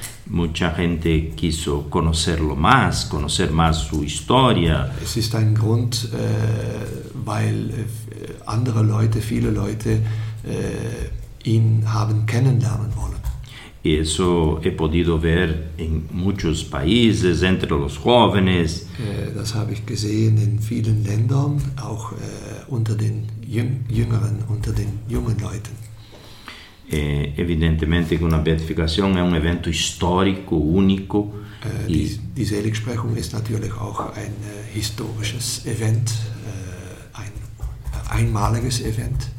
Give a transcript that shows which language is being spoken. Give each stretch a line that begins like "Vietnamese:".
Spanish: Mucha gente quiso conocerlo más, conocer más su historia.
German: Es ist ein Grund, weil andere Leute, viele Leute ihn haben kennenlernen wollen.
Spanish: Y eso he podido ver en muchos países, entre los jóvenes.
German: Das habe ich gesehen in vielen Ländern, auch unter den Jüngeren, unter den jungen Leuten.
Spanish: Evidentemente que una beatificación es un evento histórico, único.
German: Die Seligsprechung ist natürlich auch ein historisches Event, ein einmaliges Event.